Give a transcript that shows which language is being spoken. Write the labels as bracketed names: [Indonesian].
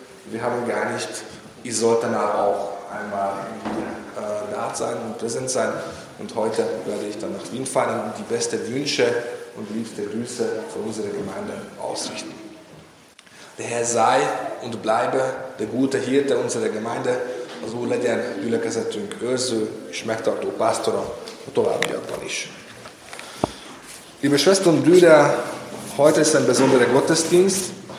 [German] Wir haben gar nicht, ich sollte dann auch einmal da sein und präsent sein. Und heute werde ich dann nach Wien fahren und die besten Wünsche und liebste Grüße von unserer Gemeinde ausrichten. Der Herr sei und bleibe der gute Hirte unserer Gemeinde. [Hungarian] Also legyen gyülekezetünk őrző és megtartó pásztora a továbbiakban is. [German] Liebe Schwestern und Brüder, heute ist ein besonderer Gottesdienst.